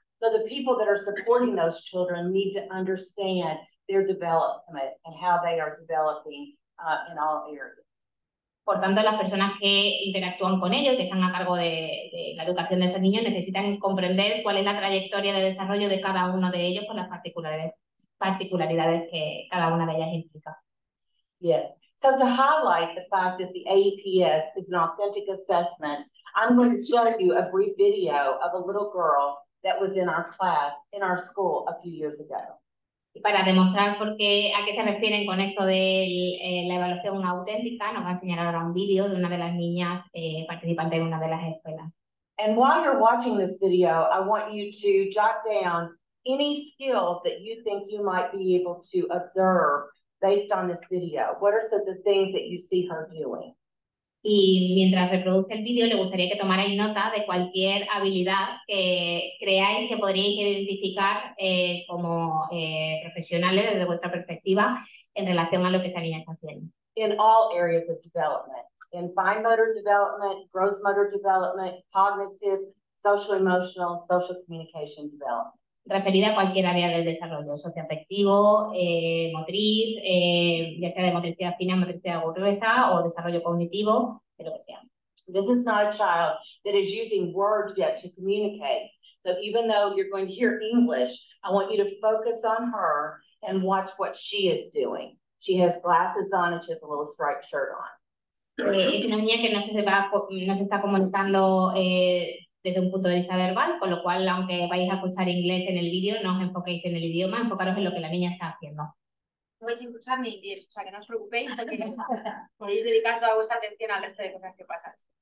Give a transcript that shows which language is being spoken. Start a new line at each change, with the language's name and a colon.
English: So the people that are supporting those children need to understand their development and how they are developing in all areas.
Spanish: Por tanto, las personas que interactúan con ellos, que están a cargo de la educación de esos niños, necesitan comprender cuál es la trayectoria de desarrollo de cada uno de ellos con las particularidades que cada una de ellas implica.
English: Yes. So to highlight the fact that the AEPS is an authentic assessment, I'm going to show you a brief video of a little girl that was in our class in our school a few years ago.
Spanish: Y para demostrar por qué, a qué se refieren con esto de la evaluación auténtica, nos va a enseñar ahora un vídeo de una de las niñas participantes de una de las escuelas.
English: And while you're watching this video, I want you to jot down any skills that you think you might be able to observe based on this video. What are some of the things that you see her doing?
Spanish: Y mientras reproduce el vídeo, le gustaría que tomarais nota de cualquier habilidad que creáis que podríais identificar como profesionales desde vuestra perspectiva en relación a lo que esa niña está haciendo.
English: In all areas of development, in fine motor development, gross motor development, cognitive, social emotional, social communication development.
Spanish: Referida a cualquier área del desarrollo, socioafectivo, motriz, ya sea de motricidad fina, motricidad gruesa o desarrollo cognitivo, de lo que sea.
English: This is not a child that is using words yet to communicate. So even though you're going to hear English, I want you to focus on her and watch what she is doing. She has glasses on and she has a little striped shirt on.
Spanish: Es una niña que no se está comunicando desde un punto de vista verbal, con lo cual, aunque vais a escuchar inglés en el vídeo, no os enfoquéis en el idioma, enfocaros en lo que la niña está haciendo. No vais a escuchar ni inglés, o sea, que no os preocupéis, porque podéis dedicar toda vuestra atención al resto de cosas que pasan.